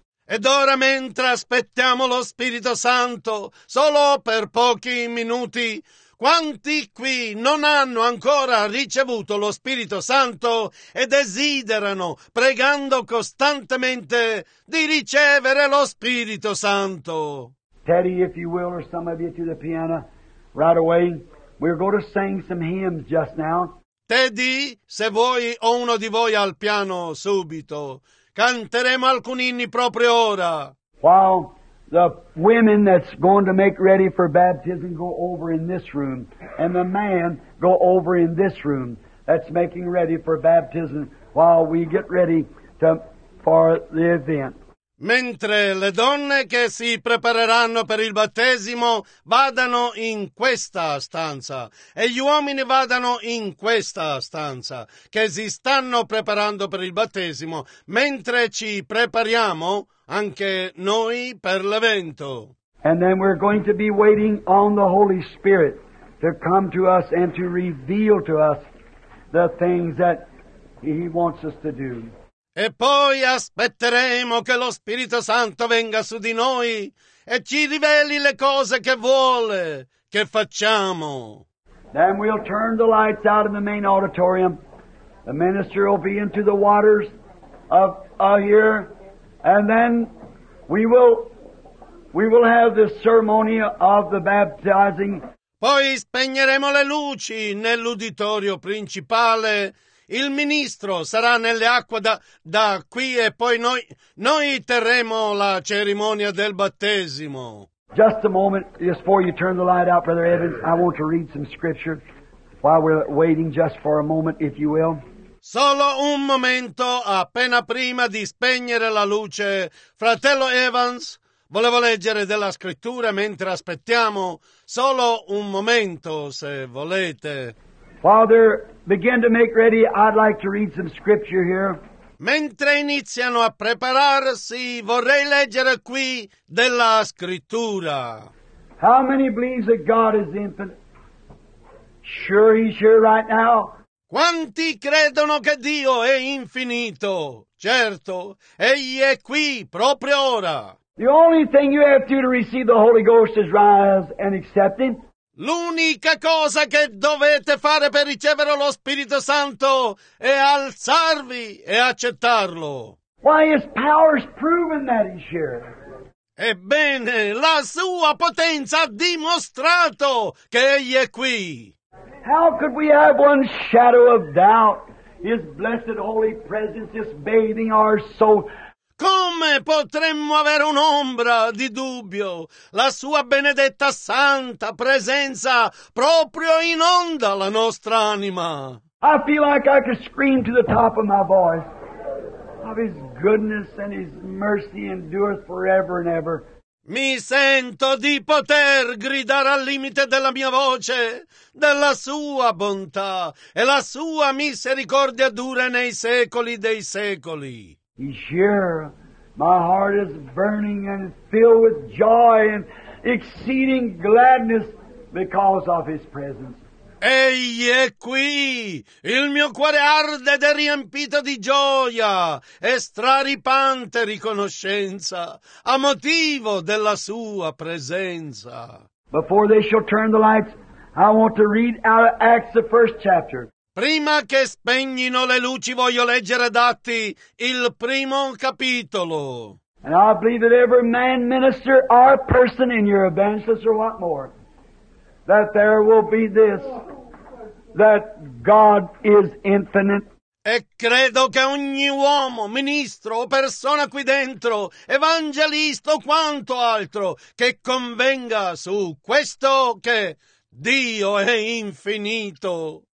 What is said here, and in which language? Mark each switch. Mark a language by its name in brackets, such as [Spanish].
[Italian] Ed ora, mentre aspettiamo lo Spirito Santo, solo per pochi minuti, quanti qui non hanno ancora ricevuto lo Spirito Santo e desiderano, pregando costantemente, di ricevere lo Spirito Santo? [English] Teddy, if you will, or some of you to the piano, right away, we're going to sing some hymns just now. [Italian] Teddy, se vuoi, o uno di voi al piano subito. Canteremo alcuni inni proprio ora. [English] While the women that's going to make ready for baptism go over in this room, and the man go over in this room that's making ready for baptism while we get ready to, for the event. [Italian] Mentre le donne che si prepareranno per il battesimo vadano in questa stanza e gli uomini vadano in questa stanza che si stanno preparando per il battesimo, mentre ci prepariamo anche noi per l'evento. [English] And then we're going to be waiting on the Holy Spirit to come to us and to reveal to us the things that He wants us to do. [Italian] E poi aspetteremo che lo Spirito Santo venga su di noi e ci riveli le cose che vuole che facciamo. [English] Then we'll turn the lights out in the main auditorium. The minister will be into the waters of here, and then we will have the ceremony of the baptizing. [Italian] Poi spegneremo le luci nell'uditorio principale. Il ministro sarà nelle acque da qui e poi noi terremo la cerimonia del battesimo. [English] Just a moment, just before you turn the light out, Brother Evans, I want to read some scripture while we're waiting just for a moment, if you will. [Italian] Solo un momento, appena prima di spegnere la luce, fratello Evans, volevo leggere della scrittura mentre aspettiamo. Solo un momento, se volete. [English] Father, begin to make ready. I'd like to read some scripture here. [Italian] Mentre iniziano a prepararsi, vorrei leggere qui della scrittura. [English] How many believes that God is infinite? Sure, He's here right now. [Italian] Quanti credono che Dio è infinito? Certo, Egli è qui proprio ora. [English] The only thing you have to do to receive the Holy Ghost is rise and accept Him. [Italian] L'unica cosa che dovete fare per ricevere lo Spirito Santo è alzarvi e accettarlo. [English] Why, His power's proven that He's here. [Italian] Ebbene, la sua potenza ha dimostrato che Egli è qui. [English] How could we have one shadow of doubt? His blessed holy presence is bathing our soul. [Italian] Come potremmo avere un'ombra di dubbio? La sua benedetta santa presenza proprio inonda la nostra anima. [English] I feel like I could scream to the top of my voice of His goodness and His mercy endureth forever and ever. [Italian] Mi sento di poter gridare al limite della mia voce della sua bontà e la sua misericordia dura nei secoli dei secoli. [English] He's here. My heart is burning and filled with joy and exceeding gladness because of His presence. [Italian] Egli è qui. Il mio cuore arde ed è riempito di gioia e straripante riconoscenza a motivo della sua presenza. [English] Before they shall turn the lights, I want to read out of Acts the first chapter. [Italian] Prima che spegnino le luci, voglio leggere ad Atti il primo capitolo. [English] And I believe that every man, minister, or person in your evangelist or what more, that there will be this, that God is infinite. [Italian] E credo che ogni uomo, ministro o persona qui dentro, evangelista o quanto altro, che convenga su questo che Dio è infinito.